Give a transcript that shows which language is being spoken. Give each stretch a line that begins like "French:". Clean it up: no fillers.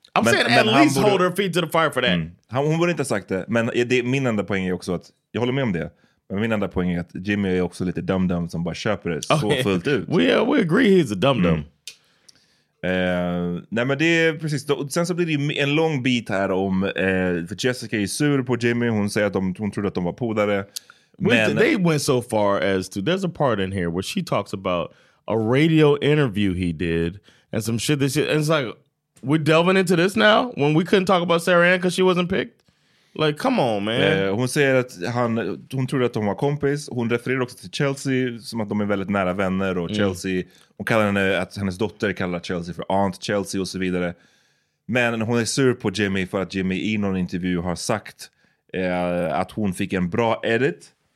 English: At least hold her feet to the fire for that.
Swedish: Hon borde inte ha sagt det, men det, min enda poäng är också att, jag håller med om det, men min enda poäng är att Jimmy är också lite dum-dum som bara köper det så fullt ut.
English: We agree he's a dum-dum.
Swedish: Nej, men det är precis. Sen så blir det en lång bit här om, för Jessica är sur på Jimmy, hon säger att hon trodde att de var podare.
English: They went so far as to, there's a part in here where she talks about a radio interview he did and some shit that she, and it's like, we're delving into this now when we couldn't talk about Sarah Ann because she wasn't picked? Like, come on, man.
Swedish: Hon säger att hon trodde att de var kompis. Hon refererar också till Chelsea som att de är väldigt nära vänner. Och Chelsea, hon kallar henne, att hennes dotter kallar Chelsea för Aunt Chelsea och så vidare. Men hon är sur på Jimmy för att Jimmy i någon intervju har sagt att hon fick en bra edit.